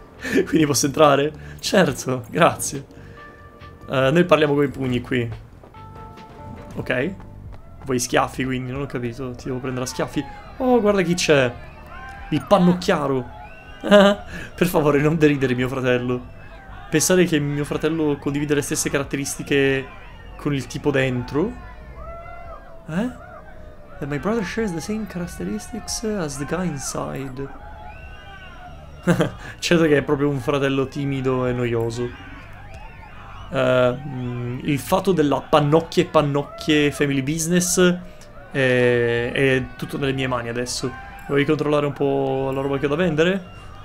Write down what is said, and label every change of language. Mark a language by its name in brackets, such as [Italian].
[Italian] Quindi posso entrare? Certo, grazie. Noi parliamo con i pugni qui. Ok. Vuoi schiaffi, quindi? Non ho capito. Ti devo prendere a schiaffi. Oh, guarda chi c'è. Il pannocchiaro. Per favore, non deridere, mio fratello. Pensare che mio fratello condivide le stesse caratteristiche con il tipo dentro. Eh? [English] That my brother shares the same characteristics as the guy inside. [Italian] Certo che è proprio un fratello timido e noioso. Il fatto della pannocchie [English] family business [Italian] è tutto nelle mie mani adesso. Vuoi controllare un po' la roba che ho da vendere?